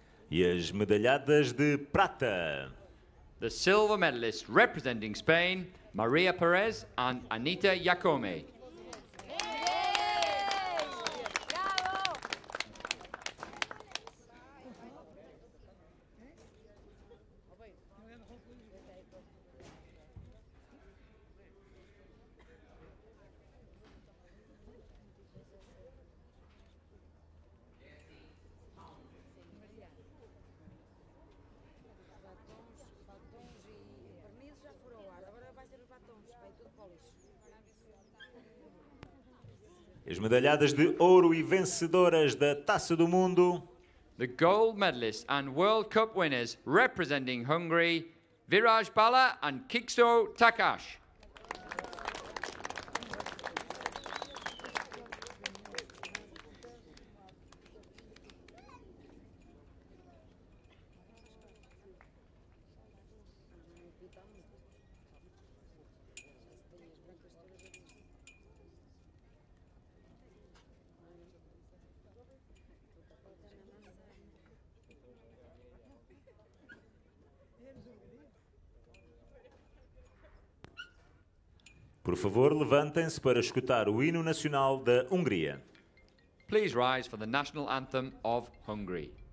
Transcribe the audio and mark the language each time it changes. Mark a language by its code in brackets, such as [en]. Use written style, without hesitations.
[pt] E as medalhadas de prata. [en] The silver medalists representing Spain, Maria Perez and Anita Jacome. [pt] As medalhadas de ouro e vencedoras da Taça do Mundo. [en] The gold medalists and World Cup winners representing Hungary, Viraj Bala and Kiksó Takás. [pt] Por favor, levantem-se para escutar o hino nacional da Hungria. [en] Please rise for the national anthem of Hungary.